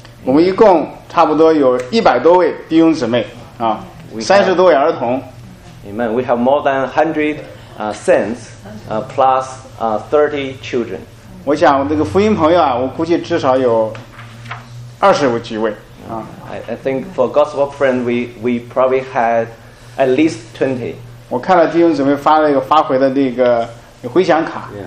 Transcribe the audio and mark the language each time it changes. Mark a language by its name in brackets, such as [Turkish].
[Chinese] 我们一共差不多有100多位弟兄姊妹啊，30多位儿童。 [English] Amen. We have more than 100 saints, plus 30 children. [Chinese] 我想这个福音朋友啊，我估计至少有20几位啊。 [English] I think for gospel friend we probably had at least 20. [Chinese] 我看了弟兄姊妹发了一个发回的那个回响卡。